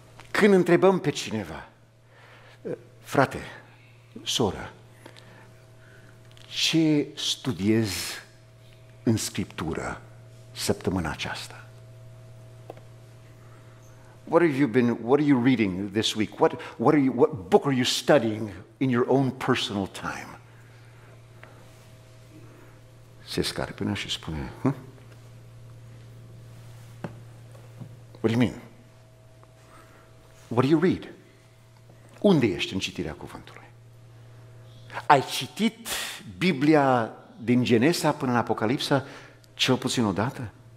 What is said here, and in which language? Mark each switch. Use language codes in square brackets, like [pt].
[ro] Când întrebăm pe cineva, frate, soră, ce studiez în Scriptură săptămâna aceasta? [en] What have you been reading this week? What book are you studying in your own personal time? [ro] Se scarpină și spune, [en] what do you mean? What do you read? [ro] Unde ești în citirea cuvântului? Ai citit Biblia din Genesa până în Apocalipsa cel puțin o dată?